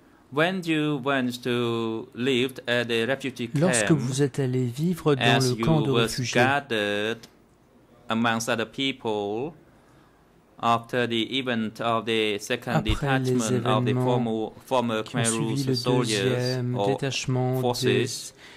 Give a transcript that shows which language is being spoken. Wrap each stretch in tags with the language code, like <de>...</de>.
<en>When you went to live at the refugee camp,</en> <fr>lorsque vous êtes allé vivre dans le camp de réfugiés,</fr> <en>as you were gathered amongst other people after the event of the second detachment of the former Khmer Rouge soldiers or forces,</en>